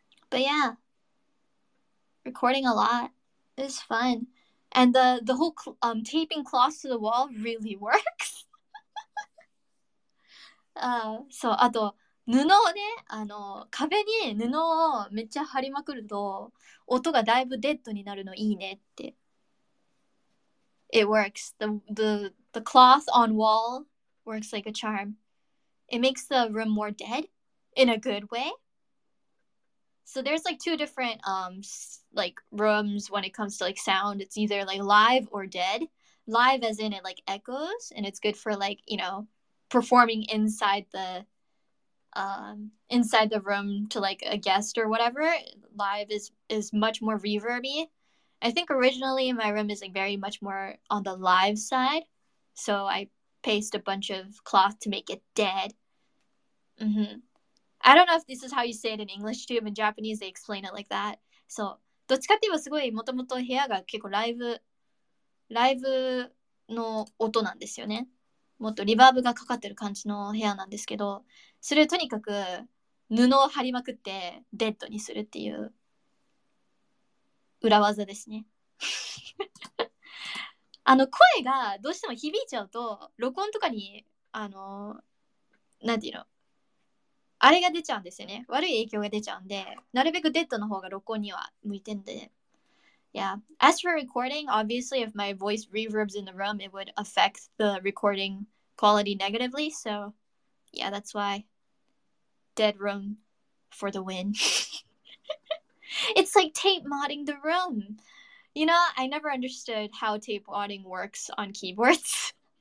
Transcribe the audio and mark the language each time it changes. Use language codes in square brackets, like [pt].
[en] But yeah. Recording a lot is fun. And the whole taping cloths to the wall really works. [ja] So, あと布をね、あの壁に布をめっちゃ貼りまくると音がだいぶデッドになるのいいねって。 [en] It works. The cloth on wall works like a charm. It makes the room more dead in a good way. So there's like two different like rooms when it comes to like sound. It's either like live or dead. Live as in it like echoes and it's good for like, you know, performing inside the room to like a guest or whatever. Live is much more reverb-y. I think originally my room is like very much more on the live side. So I paste a bunch of cloth to make it dead. Mm-hmm. I don't know if this is how you say it in English too, but in Japanese they explain it like that. [ja] So どっちかって言えばすごいもともと部屋が結構ライブの音なんですよね。もっとリバーブがかかってる感じの部屋なんですけど、それをとにかく布を貼りまくってデッドにするっていう裏技ですね。あの声がどうしても響いちゃうと録音とかにあの何て言うの、あれが出ちゃうんですよね。悪い影響が出ちゃうんで、なるべくデッドの方が録音には向いてんで。 [en] Yeah. As for recording, obviously if my voice reverbs in the room, it would affect the recording quality negatively. So yeah, that's why dead room for the win. It's like tape modding the room. You know, I never understood how tape modding works on keyboards.